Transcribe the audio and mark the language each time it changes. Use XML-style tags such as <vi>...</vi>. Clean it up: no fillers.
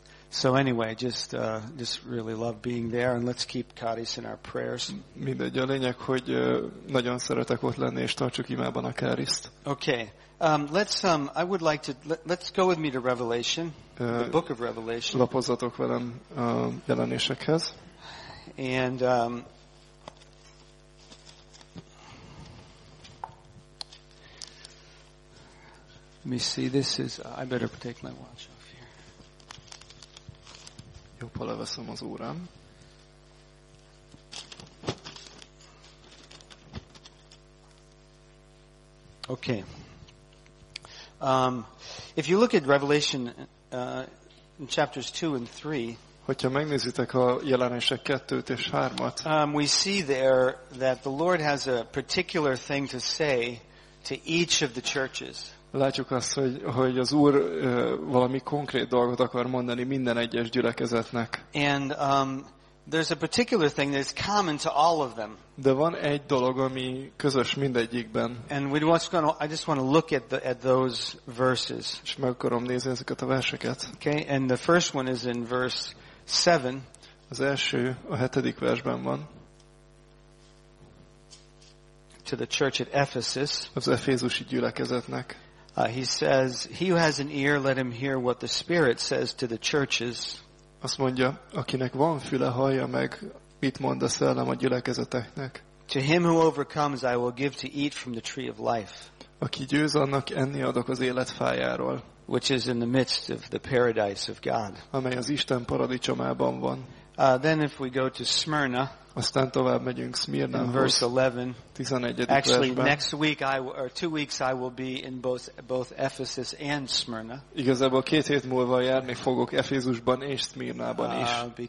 <en>So anyway, just really love being there, and let's keep Cádiz in our prayers.</en> <hu>Mindegy, a lényeg, hogy nagyon szeretek ott lenni, és tartsuk imában a Cádizt.</hu> <en>Okay. I would like to let's go with me to Revelation, the book of Revelation.</en> <hu>Lapozzatok velem a jelenésekhez.</hu> <en>And let me see, this is I better take my watch off here.</en> <hu>Jobb, ha leveszem az órám.</hu> <en>Okay. If you look at Revelation in chapters 2 and 3,</en> <hu>hogyha megnézitek a jelenések 2-t és 3-at,</hu> <en>we see there that the Lord has a particular thing to say to each of the churches.</en> <hu>Látjuk azt, hogy az Úr valami konkrét dolgot akar mondani minden egyes gyülekezetnek.</hu> <en>And there's a particular thing that is common to all of them.</en> <hu>De van egy dolog, ami közös mindegyikben.</hu> <en>And I just want to look at those verses.</en> <hu>És meg akarom nézni ezeket a verseket.</hu> <en>Okay, and the first one is in verse 7.</en> <hu>Az első a hetedik versben van.</hu> <en>To the church at Ephesus.</en> <hu>Az efézusi gyülekezetnek.</hu> <en>He says, "He who has an ear, let him hear what the Spirit says to the churches."</en> <hu>Azt mondja, akinek van füle, hallja meg, mit mond a szellem a gyülekezeteknek.</hu> <en>To him who overcomes, I will give to eat from the tree of life.</en> <hu>Aki győz, annak enni adok az élet fájáról.</hu> <en>Which is in the midst of the paradise of God.</en> <hu>Amely az Isten paradicsomában van.</hu> <en>Then if we go to Smyrna.</en> <hu>Aztán tovább megyünk Smyrnához.</hu> <en>Verse 11.</en> <hu>11.</hu> <en>Actually,</en> <hu>versben.</hu> <en>Next week two weeks I will be in both Ephesus and Smyrna.</en> <hu>Igazából két hét múlva járni fogok Efézusban és Smyrnában is.</hu>